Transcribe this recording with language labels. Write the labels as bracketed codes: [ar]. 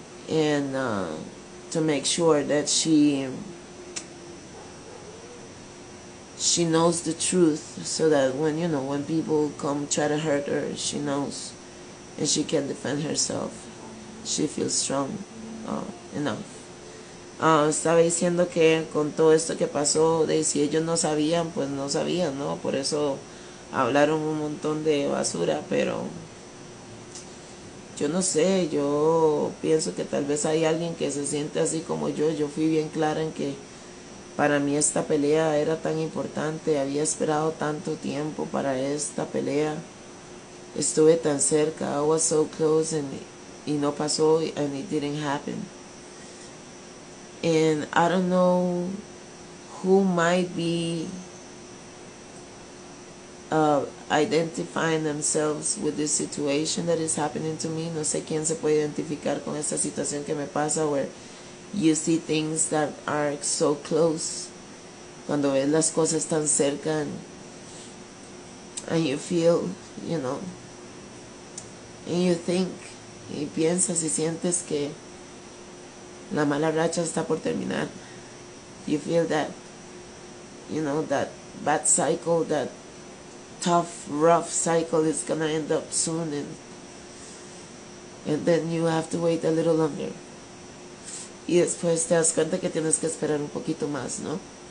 [en] and to make sure that she knows the truth, so that when, you know, when people come try to hurt her, she knows and she can defend herself. She feels strong enough. [es] Estaba diciendo que con todo esto que pasó, de si ellos no sabían, pues no sabían, ¿no? Por eso hablaron un montón de basura, pero yo no sé, yo pienso que tal vez hay alguien que se siente así como yo. Yo fui bien clara en que para mí esta pelea era tan importante, había esperado tanto tiempo para esta pelea, estuve tan cerca, [en] I was so close, [es] y no pasó, [en] and it didn't happen. And I don't know who might be identifying themselves with this situation that is happening to me. [es] No sé quién se puede identificar con esta situación que me pasa, [en] where you see things that are so close, [es] cuando ves las cosas tan cerca, [en] and you feel, you know, and you think, [es] y piensas y sientes que la mala racha está por terminar. [en] You feel that you know, that bad cycle, that tough, rough cycle is gonna end up soon, and then you have to wait a little longer. [es] Y después te das cuenta que tienes que esperar un poquito más, ¿no?